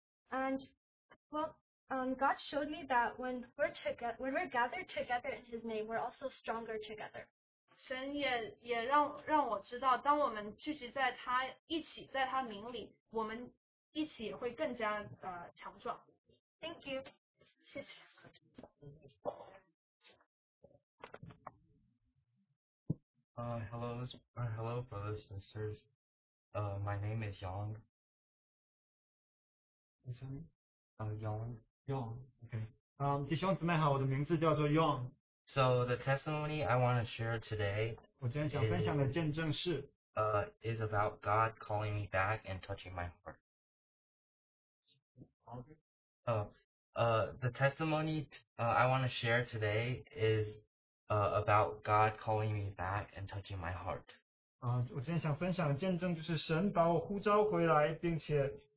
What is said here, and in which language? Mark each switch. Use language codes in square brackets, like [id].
[en] And well, God showed me that when we're gathered together in His name, we're also stronger together. [zh] 神也让我知道，当我们聚集在他一起，在他名里，我们。一起会更加强壮。 [en] Thank you. [zh] 谢谢。 [en] Hello, brothers and sisters. My name is Yang. What's your name? Yang. Okay. [zh] 弟兄姊妹好，我的名字叫做Yang。 [en] So the testimony I want to share today. [zh] 我今天想分享的见证是。 [en] Is about God calling me back and touching my heart. The testimony I want to share today is about God calling me back and touching my heart. [zh] 我今天想分享的见证就是神把我呼召回来，并且